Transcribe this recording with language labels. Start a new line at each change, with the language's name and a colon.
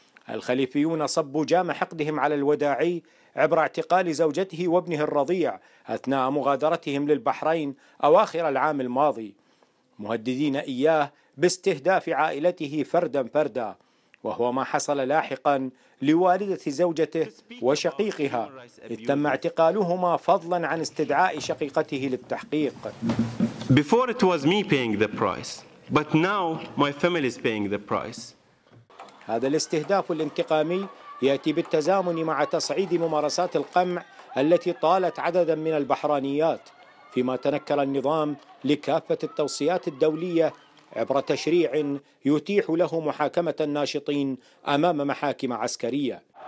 Arabic: الخليفيون صبوا جام حقدهم على الوداعي عبر اعتقال زوجته وابنه الرضيع أثناء مغادرتهم للبحرين أواخر العام الماضي، مهددين إياه باستهداف عائلته فردا فردا، وهو ما حصل لاحقا لوالدة زوجته وشقيقها، إذ تم اعتقالهما فضلا عن استدعاء شقيقته للتحقيق.
English: Before it was me paying the price, but now my family is paying the price.
Arabic: هذا الاستهداف الانتقامي يأتي بالتزامن مع تصعيد ممارسات القمع التي طالت عددا من البحرانيات، فيما تنكر النظام لكافة التوصيات الدولية عبر تشريع يتيح له محاكمة الناشطين أمام محاكم عسكرية.